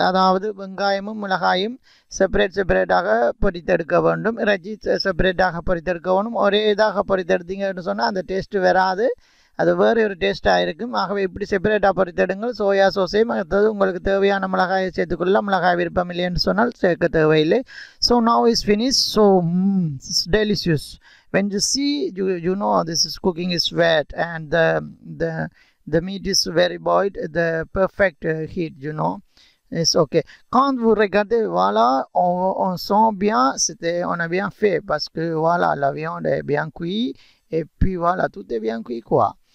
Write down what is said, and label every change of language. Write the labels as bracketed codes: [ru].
[ta] அதாவது வெங்காயமும் மிளகாயும் செப்பரேட் செப்பரேட்டாக பொறித்தெடுக்க வேண்டும். இறைச்சி செப்பரேட்டாக பொறித்தெடுக்க வேண்டும். ஒரே இதாக பொறித்தெடுத்தீங்கன்னு சொன்னால் அந்த டேஸ்ட்டு வராது, அது வேறு ஒரு டேஸ்ட்டாக இருக்கும். ஆகவே இப்படி செப்பரேட்டாக பொறித்தெடுங்கள். சோயா சோஸையும் அடுத்தது உங்களுக்கு தேவையான மிளகாயை சேர்த்துக்கொள்ள, மிளகாய் விருப்பம் இல்லைன்னு சொன்னால் சேர்க்க தேவையில்லை. [en] So now is finish. So delicious When you see, you know this is cooking is wet and the meat is very boiled, the perfect heat, you know. [fr] Es ok. Quand vous regardez, voilà, on sent bien, c'était, on a bien fait parce que voilà, la viande est bien cuite et puis voilà, tout est bien cuit quoi.